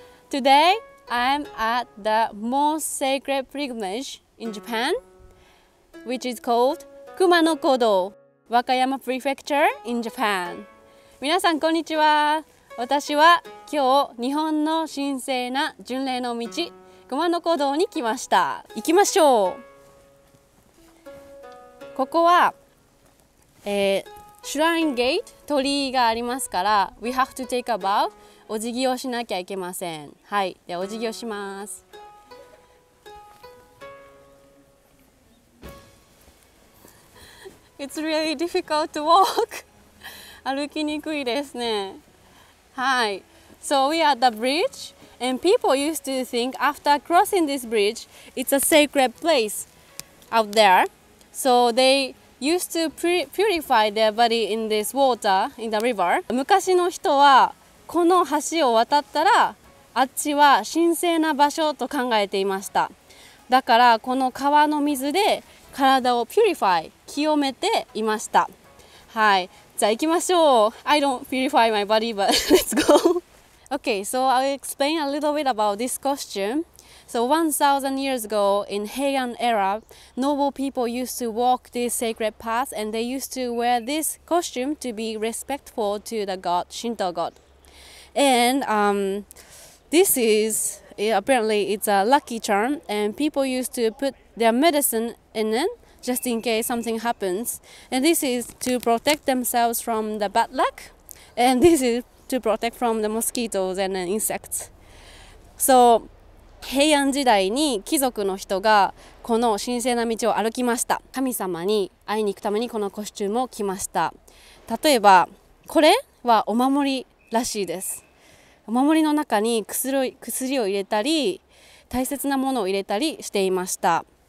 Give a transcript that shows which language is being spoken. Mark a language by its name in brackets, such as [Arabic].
[English] Today, I'm at the most sacred pilgrimage in Japan, which is called Kumano Kodo, Wakayama Prefecture in Japan. [Japanese] 皆さん、こんにちは。私は今日、日本の神聖な巡礼の道、熊野古道に来ました。行きましょう。ここは、シュラインゲート、鳥居がありますから、 [English] We have to take a bow、 [Japanese] お辞儀をしなきゃいけません。はい、でお辞儀をします。 [English] It's really difficult to walk. [Japanese] 歩きにくいですね。はい。 [English] So we are at the bridge, and people used to think after crossing this bridge, it's a sacred place out there. So they used to purify their body in this water, in the river. [Japanese] 昔の人はこの橋を渡ったら、あっちは神聖な場所と考えていました。だからこの川の水で体をpurify、清めていました。はい。じゃあ行きましょう。 [English] I don't purify my body, but let's go. Okay, so I'll explain a little bit about this costume. So 1,000 years ago in Heian era, noble people used to walk this sacred path and they used to wear this costume to be respectful to the god, Shinto god. And this is, apparently it's a lucky charm and people used to put their medicine in it. Just in case something happens. And this is to protect themselves from the bad luck. And this is to protect from the mosquitoes and the insects. [Japanese] So, 平安時代に貴族の人がこの神聖な道を歩きました。神様に会いに行くためにこのコスチュームを着ました。例えば、これはお守りらしいです。お守りの中に薬を入れたり、大切なものを入れたりしていました。